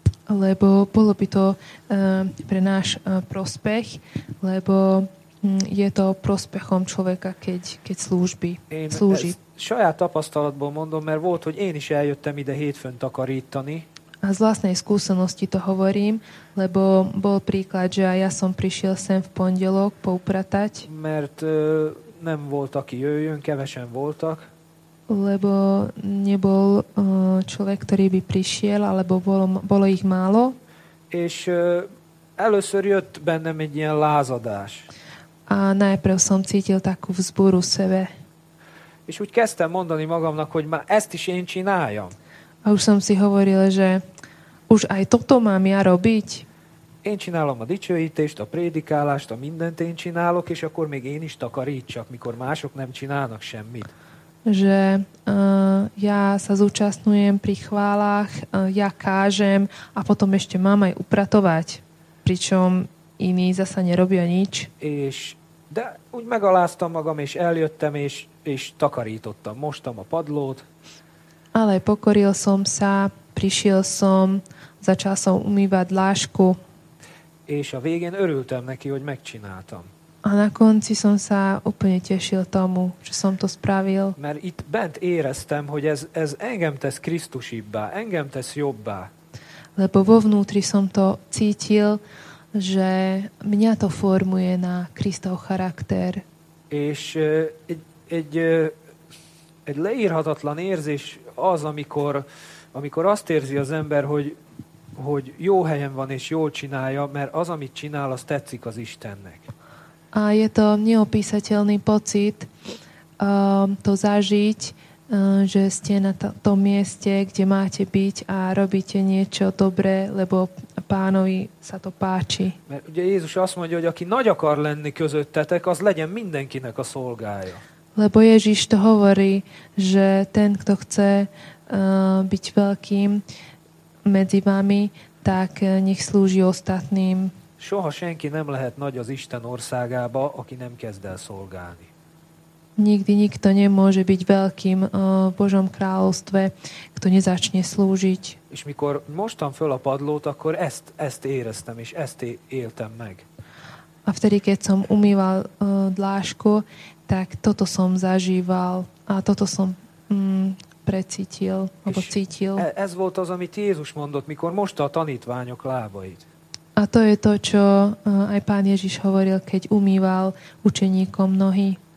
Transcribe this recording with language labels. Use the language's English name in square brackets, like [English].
[Slovak] Lebo bolo by to pre náš prospech, lebo je to prospechom človeka, keď slúži. [Hungarian] Saját tapasztalatból mondom, mert volt, hogy én is eljöttem ide hétfőn takarítani. [Slovak] A z vlastnej skúsenosti to hovorím, lebo bol príklad, že ja som prišiel sem v pondelok poupratať. [Hungarian] Mert nem volt, aki jöjjön, kevesen voltak. [Slovak] Lebo nebol človek, ktorý by prišiel, alebo bolo ich málo. [Hungarian] És először jött bennem egy ilyen lázadás. [Slovak] A najprv som cítil takú vzburu sebe. [Hungarian] És úgy kezdtem mondani magamnak, hogy már ezt is én csináljam. [Slovak] A už som si hovoril, že už aj toto mám ja robiť. [Hungarian] Én csinálom a dicsőítést, a prédikálást, a mindent én csinálok, és akkor még én is takarítsak, mikor mások nem csinálnak semmit. [Slovak] Že ja sa zúčastňujem pri chválach, ja kážem a potom ešte mám aj upratovať, pričom iní zasa nerobia nič. [Hungarian] És, de úgy megaláztam magam, és eljöttem, és takarítottam, mostam a padlót. [Slovak] Ale pokoril som sa, prišiel som, začal som umývať lášku. [Hungarian] És a végén örültem neki, hogy megcsináltam. [Slovak] A na konci som sa úplne tešil tomu, že som to spravil. [Hungarian] Mert itt bent éreztem, hogy ez engem tesz Krisztusibbá, engem tesz jobbá. [Slovak] Lebo vo vnútri som to cítil, že mňa to formuje na Kristov charakter. [Hungarian] És egy leírhatatlan érzés az, amikor azt érzi az ember, hogy jó helyen van és jól csinálja, mert az, amit csinál, az tetszik az Istennek. [Slovak] A je to neopísateľný pocit to zažiť, že ste na tom mieste, kde máte byť a robíte niečo dobré, lebo Pánovi sa to páči. [Hungarian] Mert ugye Jézus azt mondja, hogy aki nagy akar lenni közöttetek, az legyen mindenkinek a szolgája. [Slovak] Lebo Ježiš to hovorí, že ten, kto chce byť veľkým medzi vami, tak nech slúži ostatným. [Hungarian] Soha senki nem lehet nagy az Isten országába, aki nem kezd el szolgálni. [Slovak] Nikdy nikto nemôže byť veľkým v Božom kráľovstve, kto nezačne slúžiť. [Hungarian] És mikor mostam föl a padlót, akkor ezt éreztem, és ezt éltem meg. [Slovak] A vtedy, keď som umýval dlášku, tak toto som zažíval a toto som precítil, alebo cítil. [Hungarian] Ez volt az, amit Jézus mondott, mikor mosta a tanítványok lábait. [Slovak] A to je to, čo aj Pán Ježiš hovoril, keď umýval učeníkom nohy.